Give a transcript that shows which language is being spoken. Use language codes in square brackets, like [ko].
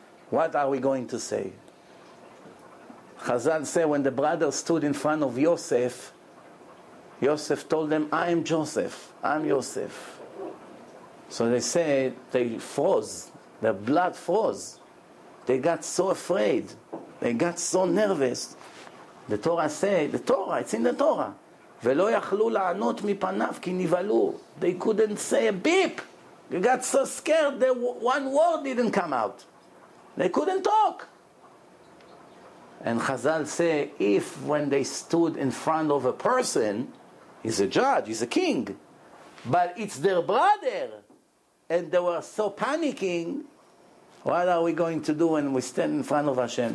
[en] What are we going to say? Chazal said when the brother stood in front of Yosef, Yosef told them, I am Joseph. I'm Yosef. So they said, they froze. Their blood froze. They got so afraid. They got so nervous. The Torah said, the Torah, it's in the Torah. [he] ולא יכלו לענות מפניו כי נבהלו. [en] They couldn't say a beep. They got so scared that one word didn't come out. They couldn't talk. And Chazal say, if when they stood in front of a person, he's a judge, he's a king, but it's their brother, and they were so panicking, what are we going to do when we stand in front of Hashem?